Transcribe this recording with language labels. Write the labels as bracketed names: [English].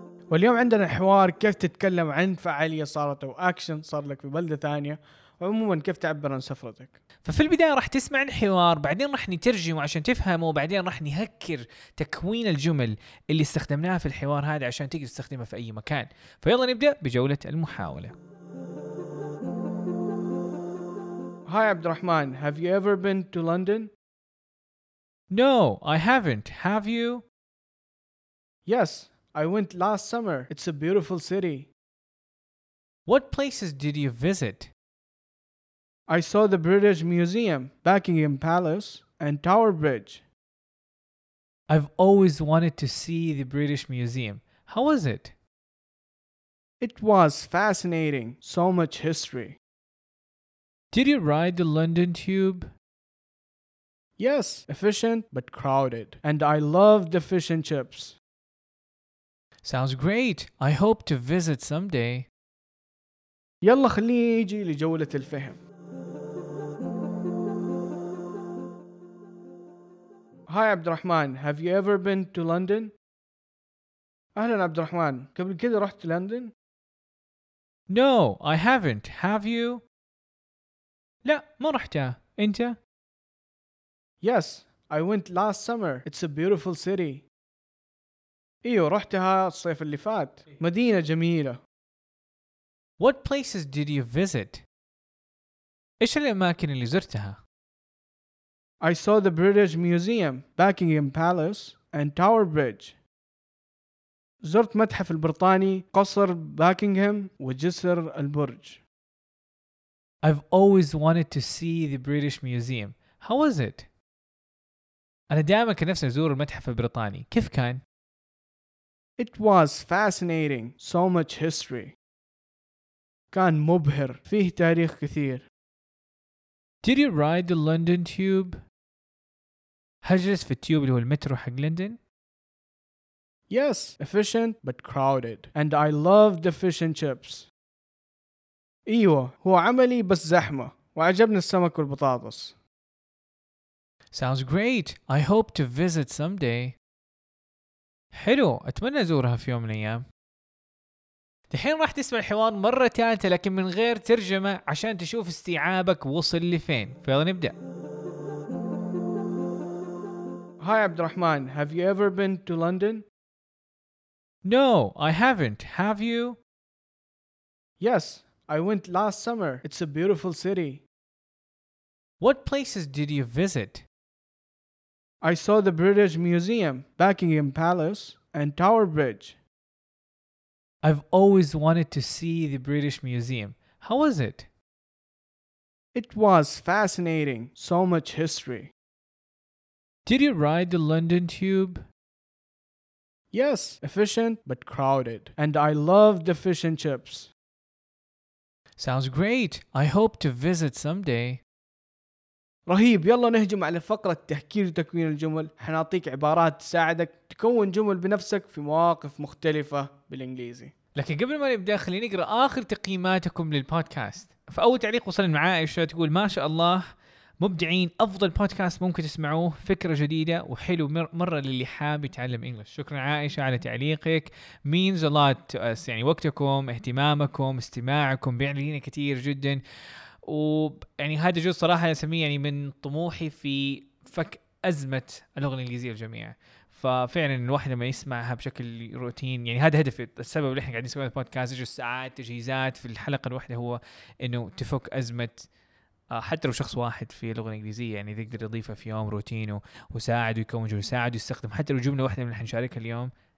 [Arabic] واليوم عندنا حوار كيف تتكلم عن فعاليه صارت او اكشن صار لك في بلده ثانيه، وعموما كيف تعبر عن سفرتك. ففي البدايه راح تسمع الحوار، بعدين راح نترجمه عشان تفهمه، وبعدين راح نهكر تكوين الجمل اللي استخدمناها في الحوار هذا عشان تقدر تستخدمها في اي مكان. فيلا نبدا بجوله المحاوله. [English] Hi عبد الرحمن، have you ever been to London? No, I haven't. Have you? Yes, I went last summer. It's a beautiful city. What places did you visit? I saw the British Museum, Buckingham Palace, and Tower Bridge. I've always wanted to see the British Museum. How was it? It was fascinating. So much history. Did you ride the London Tube? Yes, efficient but crowded. And I love the fish and chips. Sounds great. I hope to visit someday. [Arabic] يلا خليني يجي لجولة الفهم. [English] Hi عبد الرحمن، have you ever been to London? [Arabic] اهلا عبد الرحمن، قبل كده رحت لندن؟ [English] No, I haven't. Have you? [Arabic] لا، ما رحتها. انت؟ [English] Yes, I went last summer. It's a beautiful city. [Arabic] ايوه رحتها الصيف اللي فات. مدينة جميلة. [English] What places did you visit? [Arabic] ايش الاماكن اللي زرتها؟ [English] I saw the British Museum, Buckingham Palace, and Tower Bridge. [Arabic] زرت متحف البريطاني، قصر باكنغهام، وجسر البرج. [English] I've always wanted to see the British Museum. How was it? [Arabic] أنا دائما كان نفسي أزور المتحف البريطاني. كيف كان؟ [English] It was fascinating. So much history. [Arabic] كان مبهر. فيه تاريخ كثير. [English] Did you ride the London Tube? [Arabic] هل جلست في التيوب اللي هو المترو حق لندن؟ [English] Yes, efficient but crowded. And I love the fish and chips. [Arabic] ايوه هو عملي بس زحمة، وعجبني السمك والبطاطس. [English] Sounds great. I hope to visit someday. [Arabic] حلو، اتمنى ازورها في يوم من الايام. الحين راح تسمع الحوار مرة ثالثة لكن من غير ترجمة عشان تشوف استيعابك وصل لفين. فيلا نبدأ. [English] Hi Abd Rahman, have you ever been to London? No, I haven't. Have you? Yes, I went last summer. It's a beautiful city. What places did you visit? I saw the British Museum, Buckingham Palace, and Tower Bridge. I've always wanted to see the British Museum. How was it? It was fascinating. So much history. Did you ride the London Tube? Yes, efficient but crowded. And I love the fish and chips. Sounds great. I hope to visit someday. [Arabic] رهيب، يلا نهجم على فقرة تهكير وتكوين الجمل. حنعطيك عبارات تساعدك تكون جمل بنفسك في مواقف مختلفة بالإنجليزي. لكن قبل ما نبدأ خليني أقرأ آخر تقييماتكم للبودكاست. فأول تعليق وصلنا مع عائشة تقول ما شاء الله مبدعين، افضل بودكاست ممكن تسمعوه، فكره جديده وحلو مره للي حاب يتعلم انجلش. شكرا عائشه على تعليقك، [English] means a lot to us. [Arabic] يعني وقتكم، اهتمامكم، استماعكم بيعنينا كثير جدا، ويعني هذا جزء صراحه اسميه يعني من طموحي في فك ازمه اللغه الانجليزيه للجميع. ففعلا الواحد لما يسمعها بشكل روتين، يعني هذا هدفي، السبب اللي احنا قاعدين نسوي البودكاست جزء ساعات تجهيزات في الحلقه الواحده هو انه تفك ازمه حتى لو شخص واحد في اللغة الإنجليزية، يعني يقدر يضيفه في يوم روتينه وساعد ويكون جو ساعد ويستخدم حتى لو جملة واحدة من اللي حنشاركها اليوم.